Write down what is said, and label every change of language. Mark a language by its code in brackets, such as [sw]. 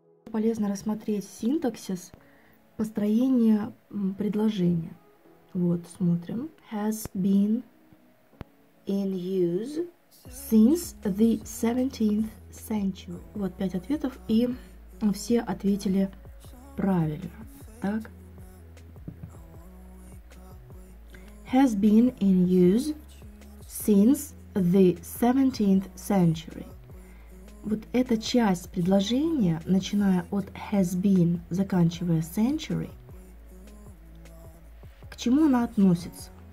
[ru] полезно рассмотреть синтаксис, построение предложения. Вот, смотрим. [en] Has been in use since the 17th century. [ru] Вот, 5 ответов, и все ответили правильно. Так. [en] Has been in use since the 17th century. [ru] Вот эта часть предложения, начиная от [en] has been, [ru] заканчивая century, к чему она относится?